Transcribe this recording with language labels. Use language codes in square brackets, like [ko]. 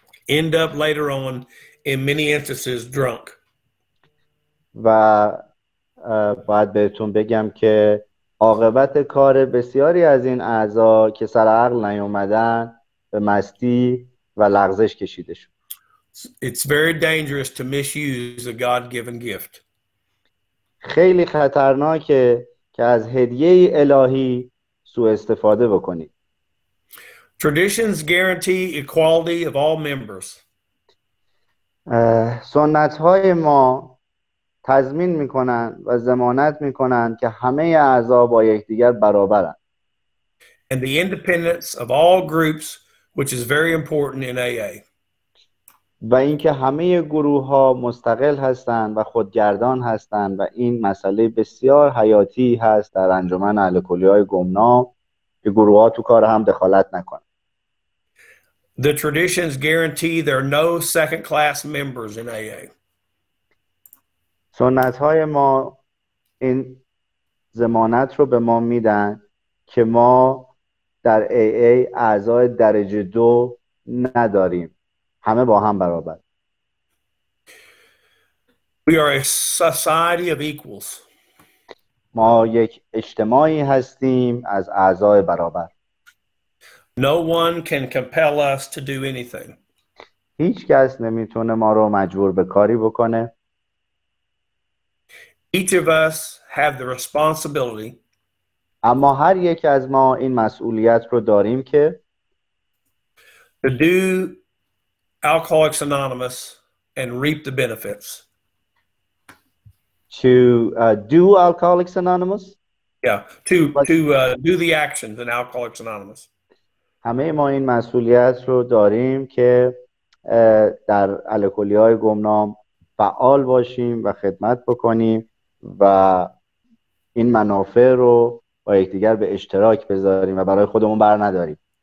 [en] End up later on in many instances drunk. [fa] و باید بهتون بگم که عاقبت کار بسیاری از این اعضا که سر عقل نیومدن به مستی و لغزش کشیده شد. [en] It's very dangerous to misuse a God-given gift. [fa] خیلی خطرناکه که از هدیه الهی سوء استفاده بکنید. [en] Traditions guarantee equality of all members. [fa] سنت‌های ما تضمین میکنن و ضمانت میکنن که همه اعضا با یکدیگر برابرن. [en] And the independence of all groups, which is very important in AA. [fa] و اینکه همه گروه ها مستقل هستن و خودگردان هستن و این مسئله بسیار حیاتی هست در انجمن الکلی های گمنام که گروه ها تو کار هم دخالت نکنن. [en] The traditions guarantee there are no second class members in AA. [fa] سنت های ما این ضمانت رو به ما میدن که ما در AA اعضای درجه دو نداریم. همه با هم برابر. [en] We are a society of equals. [fa] ما یک اجتماعی هستیم از اعضای برابر. [en] No one can compel us to do anything. [fa] هیچ کس نمیتونه ما رو مجبور به کاری بکنه. [en] Each of us have the responsibility. [fa] اما هر یک از ما این مسئولیت رو داریم که [en] to do Alcoholics Anonymous and reap the benefits. To do Alcoholics Anonymous? Yeah, to do the actions in Alcoholics Anonymous. [fa] همه ما این مسئولیت رو داریم که در الکلی‌های گمنام فعال باشیم و خدمت بکنیم و این منافع رو با یکدیگر به اشتراک بذاریم و برای خودمون بر نداریم.